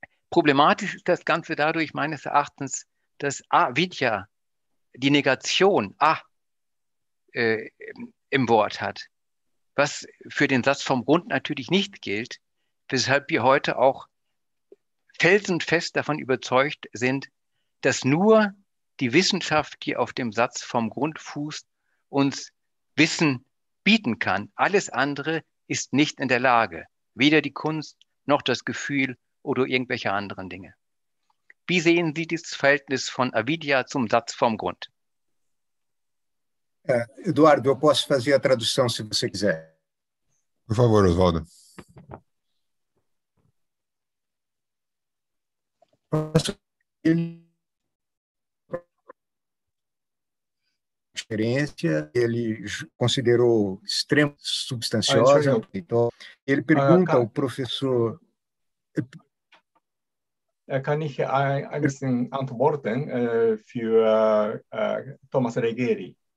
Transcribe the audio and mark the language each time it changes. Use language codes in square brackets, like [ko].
[de] Problematisch ist das Ganze dadurch meines Erachtens, dass Avidya die Negation im Wort hat, was für den Satz vom Grund natürlich nicht gilt, weshalb wir heute auch felsenfest davon überzeugt sind, dass nur die Wissenschaft, die auf dem Satz vom Grund fußt, uns Wissen bieten kann. Alles andere ist nicht in der Lage, weder die Kunst noch das Gefühl oder irgendwelche anderen Dinge. Wie sehen Sie dieses Verhältnis von Avidya zum Satz vom Grund? [pt] Eduardo, eu posso fazer a tradução, se você quiser. Por favor, Oswaldo. Referência, ele considerou extremo substanciosa. Então, ele pergunta ao professor. [de] Kann ich ein bisschen antworten für Thomas Regeri?